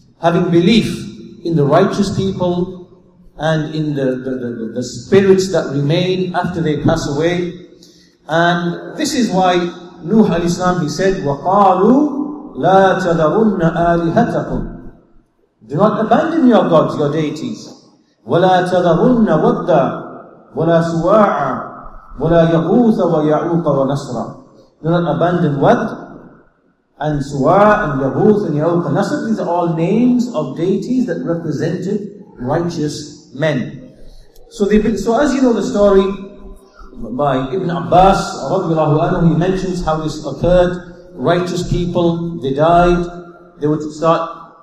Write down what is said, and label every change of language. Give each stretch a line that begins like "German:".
English: Having belief in the righteous people and in the spirits that remain after they pass away. And this is why Nuh alayhi salam, he said,
Arabic: "Waqalu لا تذرن آلهتكم."
English: Do not abandon your gods, your deities.
Arabic: ولا تذرن ودا ولا سواع ولا يغوث ويعوق ونصر.
English: Do not abandon ود and سواع and يغوث and يعوق and نصر. These are all names of deities that represented righteous men. So as you know the story by Ibn Abbas رضي الله عنه, he mentions how this occurred. Righteous people, they died, they would start